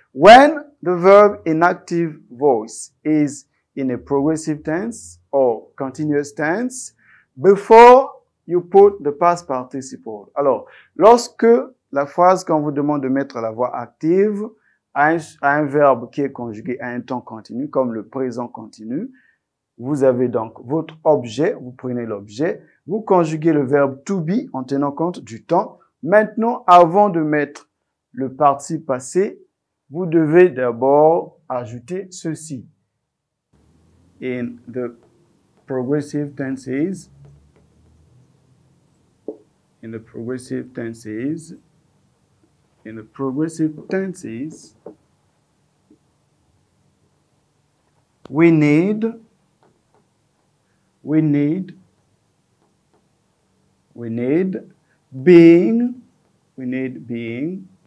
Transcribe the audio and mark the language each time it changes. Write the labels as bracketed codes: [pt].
[en] When the verb in active voice is in a progressive tense or continuous tense, before you put the past participle. [fr] Alors, lorsque la phrase qu'on vous demande de mettre la voix active à un verbe qui est conjugué à un temps continu, comme le présent continu, Vous avez donc votre objet, vous prenez l'objet, vous conjuguez le verbe to be en tenant compte du temps. Maintenant, avant de mettre le participe passé, vous devez d'abord ajouter ceci. [en] In the progressive tenses, we need being